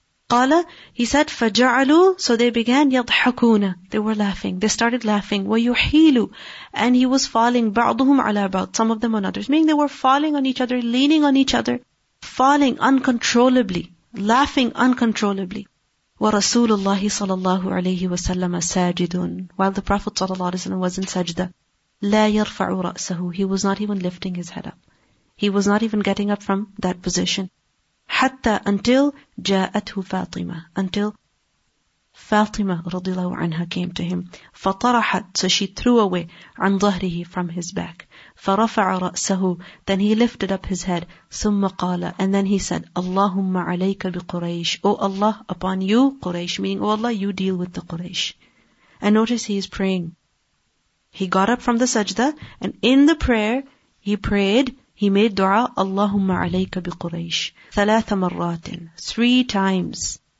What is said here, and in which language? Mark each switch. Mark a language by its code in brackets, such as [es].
[ar] قَالَ, [en] he said, [ar] فَجَعَلُوا, [en] so they began, [ar] يَضْحَكُونَ, [en] they were laughing, they started laughing, [ar] وَيُحِيلُ, [en] and he was falling, [ar] بَعْضُهُمْ عَلَى بَعْضٍ, [en] some of them on others, meaning they were falling on each other, leaning on each other, falling uncontrollably, laughing uncontrollably. [ar] وَرَسُولُ اللَّهِ صَلَى اللَّهُ عَلَيْهِ وَسَلَّمَ سَاجِدٌ, [en] while the Prophet صلى الله عليه وسلم was in sajda, [ar] لَا يَرْفَعُ رَأْسَهُ, [en] he was not even lifting his head up, he was not even getting up from that position. [ar] حتى, [en] until [ar] جاءته فاطمة, until فاطمة رضي الله عنها [en] came to him. [ar] فطرحت, [en] so she threw away, [ar] عن ظهره, [en] from his back. [ar] فرفع رأسه, [en] then he lifted up his head. [ar] ثم قال, [en] and then he said, [ar] اللهم عليك بقريش, [en] O Allah, upon you قريش, meaning O Allah, you deal with the قريش. And notice he is praying. He got up from the sajda, and in the prayer he prayed, he made dua, [ar] اللهم عليك بقريش, ثلاث مرات, [en] three times.